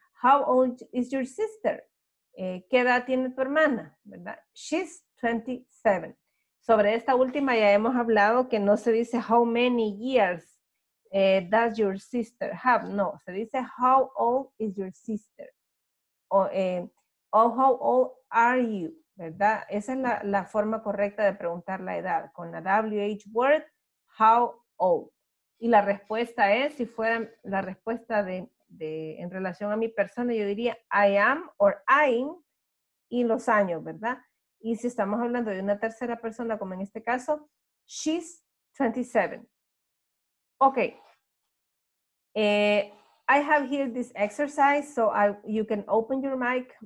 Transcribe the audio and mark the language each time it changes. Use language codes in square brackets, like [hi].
[en] How old is your sister? [es] ¿Qué edad tiene tu hermana? ¿Verdad? [en] She's 27. [es] Sobre esta última ya hemos hablado que no se dice [en] how many years does your sister have. [es] No, se dice [en] how old is your sister. O how old are you? [es] ¿Verdad? Esa es la forma correcta de preguntar la edad. Con la WH word, how old. Y la respuesta es, si fuera la respuesta de en relación a mi persona, yo diría [en] I am or I'm [es] y los años, ¿verdad? Y si estamos hablando de una tercera persona, como en este caso, [en] she's 27. Ok. I have here this exercise, so you can open your mic.